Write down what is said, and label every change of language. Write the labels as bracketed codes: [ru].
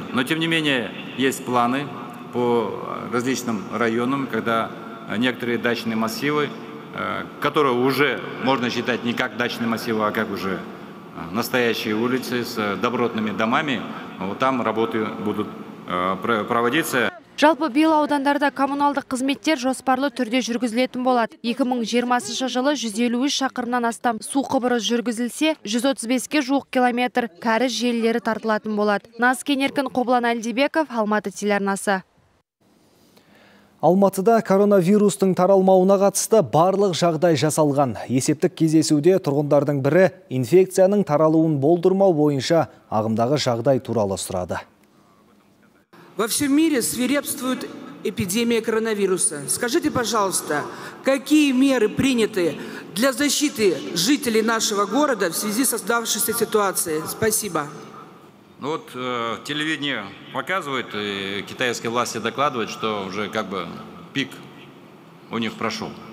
[ru] Но тем не менее есть планы по различным районам, когда некоторые дачные массивы, которые уже можно считать не как дачные массивы, а как уже настоящие улицы с добротными домами, вот там работы будут проводиться. [kk] Жалпы бил аудандарда коммуналдық қызметтер жоспарлы түрде жүргізілетін болады. 2020 жылы 153 шақырынан астам су құбыры жүргізілсе, 135-ке жуық километр кәрі желілері тартылатын болады. Нас Кенеркін, Қоблан Әлдебеков, Алматы телернасы. Алматыда коронавирустың таралмауына қатысты барлық жағдай жасалған. Есептік кездесуде тұрғындардың бірі инфекцияның таралуын болдырмау бойынша ағымдағы жағдай туралы сұрады. [ru] Во всем мире свирепствует эпидемия коронавируса. Скажите, пожалуйста, какие меры приняты для защиты жителей нашего города в связи с создавшейся ситуацией? Спасибо. Ну вот телевидение показывает, и китайские власти докладывают, что уже как бы пик у них прошел.